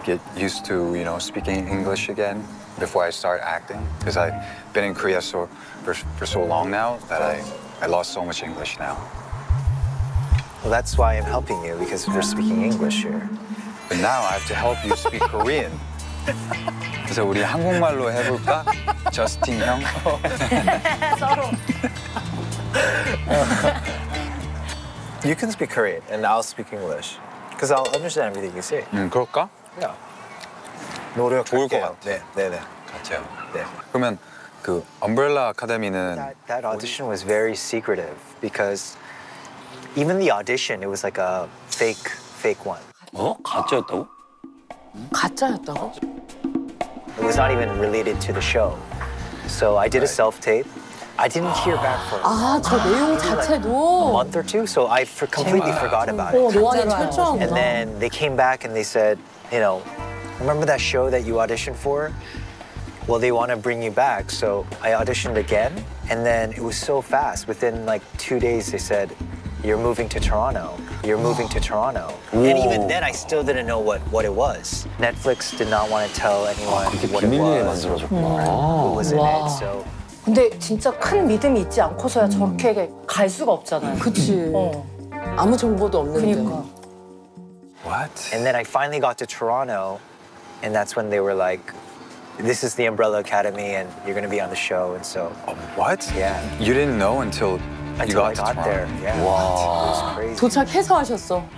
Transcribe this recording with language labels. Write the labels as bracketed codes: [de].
[en] Get used to, you know, speaking English again before I start acting. Because I've been in Korea for so long now that I lost so much English now. Well, that's why I'm helping you, because we're speaking English here. But now I have to help you speak Korean. [ko] 그래서 우리 한국말로 해볼까? 저스틴 형? 서로. [en] You can speak Korean, and I'll speak English. Because I'll understand everything you say. [ko] 그럴까? [en] Yeah. [ko] 노력할게요. 좋을 것 같아. 네. 같이요. 네. 그러면 그 엄브렐러 아카데미는... [en] That audition was very secretive, because even the audition, it was like a fake one. [ko] 어? 가짜였다고? 가짜였다고? [en] It was not even related to the show. So I did a self-tape. I didn't hear back for a month or two. So I completely forgot about it. And then they came back and they said, you know, remember that show that you auditioned for? Well, they want to bring you back. So I auditioned again. And then it was so fast. Within like 2 days, they said, you're moving to Toronto. You're moving to Toronto. Whoa. And even then, I still didn't know what it was. Netflix did not want to tell anyone what it was. Who was in it. So. [ko] 근데 진짜 큰 믿음이 있지 않고서야 저렇게 갈 수가 없잖아요. 그치. 아무 정보도 없는데. [en] What? And then I finally got to Toronto, and that's when they were like, this is the Umbrella Academy, and you're going to be on the show. And so. What? Yeah. You didn't know until. Until I got there, yeah. Wow. It was crazy. [ko] 도착해서 하셨어.